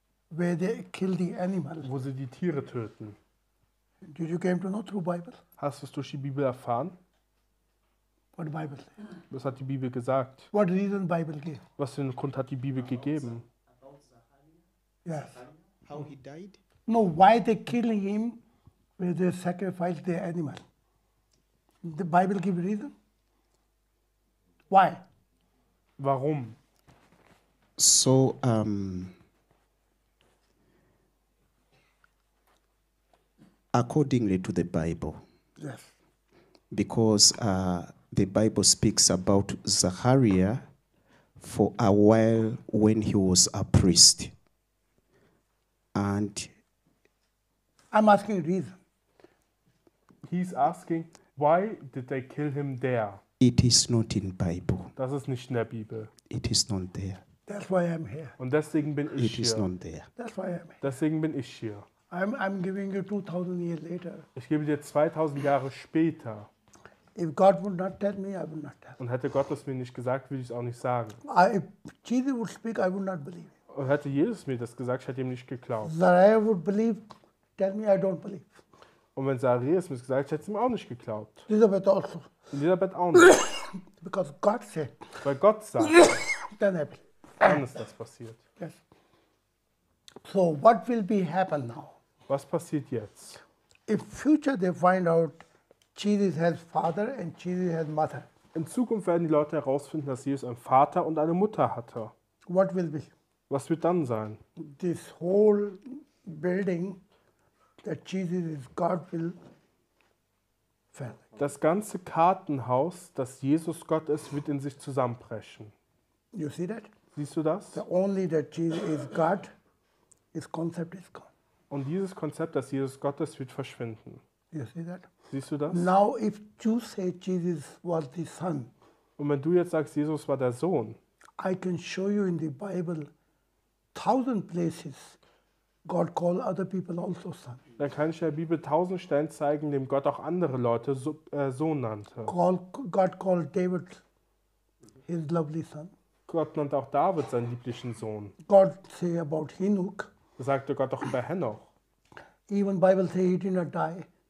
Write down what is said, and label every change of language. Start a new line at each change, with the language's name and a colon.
English: Where they kill the animals.
German: Wo sie die Tiere töten.
English: Did you came to know through Bible?
German: Hast du es durch die Bibel erfahren?
English: What the Bible say?
German: Was hat die Bibel gesagt?
English: What reason Bible gave?
German: Was für einen Grund hat die Bibel gegeben?
English: Yes. How he died? No, why they kill him where they sacrifice the animal. The Bible give reason? Why?
German: Warum?
English: So, accordingly to the Bible. Yes. Because the Bible speaks about Zachariah for a while when he was a priest. And I'm asking reason. He's asking, why did they kill him there? It is not in Bible.
German: Das ist nicht in der Bibel.
English: It is not there. That's why I'm here.
German: Und deswegen bin ich it hier.
English: It is not there. That's why I'm here.
German: Deswegen bin ich hier.
English: I'm giving you 2000 years later.
German: Ich gebe dir 2000 Jahre später.
English: If God would not tell me, I would not tell.
German: Und hätte Gott es mir nicht gesagt, würde ich es auch nicht sagen.
English: If Jesus would speak, I would not believe.
German: Und hätte Jesus mir das gesagt, ich hätte ihm nicht geglaubt.
English: Zariah would believe, tell me I don't believe.
German: Und wenn Zarias mir gesagt, ich hätte es ihm auch nicht geglaubt.
English: Elisabeth also.
German: Elisabeth auch nicht.
English: Because God said.
German: Weil Gott sagt.
English: Then I
German: believe. Dann ist das passiert.
English: Yes. So what will be happen now?
German: Was passiert jetzt?
English: In future they find out Jesus has father and Jesus has mother.
German: In Zukunft werden die Leute herausfinden, dass Jesus einen Vater und eine Mutter hatte.
English: What will be?
German: Was wird dann sein?
English: This whole building that Jesus is God will fall.
German: Das ganze Kartenhaus, das Jesus Gott ist, wird in sich zusammenbrechen.
English: You see that?
German: Siehst du das?
English: The only that Jesus is God. This concept is gone.
German: Und dieses Konzept, dass Jesus Gott ist, wird verschwinden.
English: You see that?
German: Siehst du das?
English: Now if you say Jesus was the son.
German: Und wenn du jetzt sagst, Jesus war der Sohn.
English: I can show you in the Bible 1000 places God call other people also son.
German: Dann kann ich der Bibel 1000 Stellen zeigen, dem Gott auch andere Leute Sohn nannte.
English: God called David his lovely son.
German: Gott nannte auch David seinen lieblichen Sohn.
English: God say about Henoch.
German: Sagte Gott auch über Henoch.
English: Even Bible say he did not die.